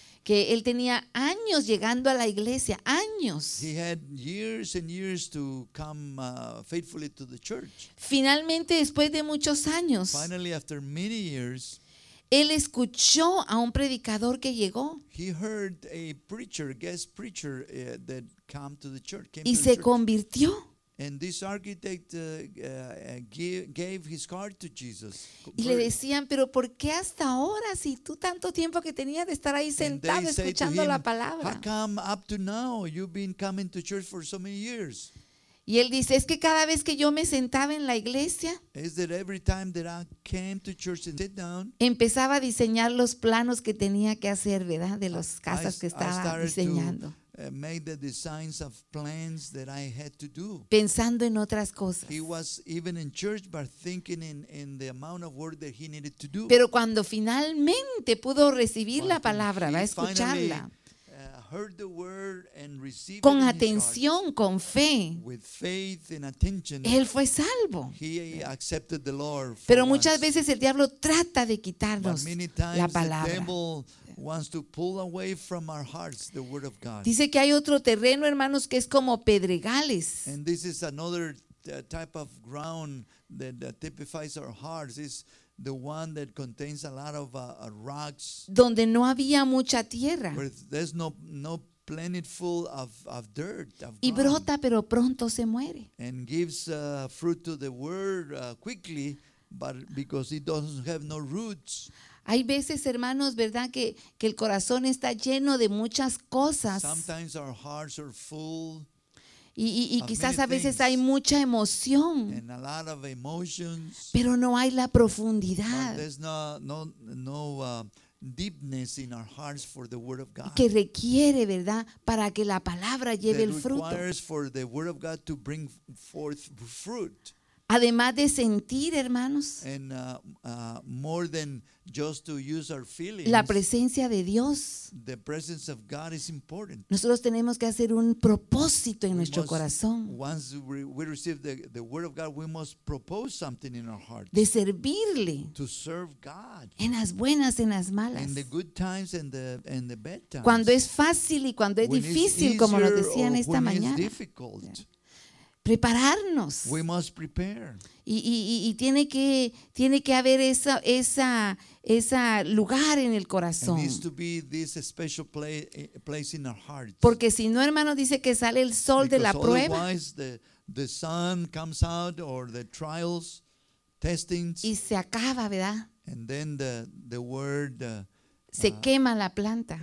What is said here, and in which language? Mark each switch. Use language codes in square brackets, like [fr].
[es] que él tenía años llegando a la iglesia, años. [en] He had years and years to come faithfully to the church. [es] Finalmente, después de muchos años, [en] finally after many years, [es] él escuchó a un predicador que llegó. [en] He heard a preacher, guest preacher that came to the church. [es] Y se convirtió. [en] And this architect gave his heart to Jesus. [es] Y le decían, pero ¿por qué hasta ahora, si tú tanto tiempo que tenías de estar ahí sentado escuchando la palabra? [en] How come up to now you've been coming to church for so many years? [es] Y él dice, es que cada vez que yo me sentaba en la iglesia, [en] is that every time that I came to church and sit down, [es] empezaba a diseñar los planos que tenía que hacer, ¿verdad? De las casas que estaba diseñando. [en] Made the designs of plans that I had to do. [es] Pensando en otras cosas. [en] He was even in church, but thinking in the amount of work that he needed to do. [es] Pero cuando finalmente pudo recibir la palabra, va a escucharla. [en] Heard the word and received [es] con atención, [en] heart, [es] con fe. [en] With faith and attention, [es] él fue salvo. [en] He accepted the Lord. [es] Pero muchas veces el diablo trata de quitarnos la palabra. [en] The devil wants to pull away from our hearts the word of God. [es] Dice que hay otro terreno, hermanos, que es como pedregales. [en] And this is another type of ground that typifies our hearts. It's the one that contains a lot of rocks. [es] Donde no había mucha tierra. [en] Where there's no plentiful of dirt. Of [es] y brota, pero pronto se muere. [en] And gives fruit to the word quickly, but because it doesn't have no roots. [es] Hay veces, hermanos, ¿verdad? Que el corazón está lleno de muchas cosas. [en] Sometimes our hearts are full. [es] Y quizás a veces hay mucha emoción. [en] And a lot of emotions, [es] pero no hay la profundidad. [en] But there's no deepness in our hearts for the word of God. [es] Que requiere, ¿verdad? Para que la palabra lleve el fruto. [en] That requires for the word of God to bring forth fruit. [es] Además de sentir, hermanos, [en] and, more than just to use our feelings, [es] la presencia de Dios, [en] the presence of God is important. [es] Nosotros tenemos que hacer un propósito en nuestro corazón. [en] Once we receive the word of God, we must propose something in our hearts. [es] De servirle. [en] To serve God. [es] En las buenas, en las malas. [en] In the good times and the bad times. [es] Cuando es fácil y cuando es difícil, como nos decían esta mañana. Prepararnos. [en] We must prepare. [es] Y tiene que haber esa lugar en el corazón. [en] It needs to be this special place in our hearts. [es] Porque si no, hermano, dice que sale el sol [en] because [es] de la prueba. [en] Otherwise the sun comes out or the trials, testings. [es] Y se acaba, ¿verdad? [en] And then the word [es] se quema la planta.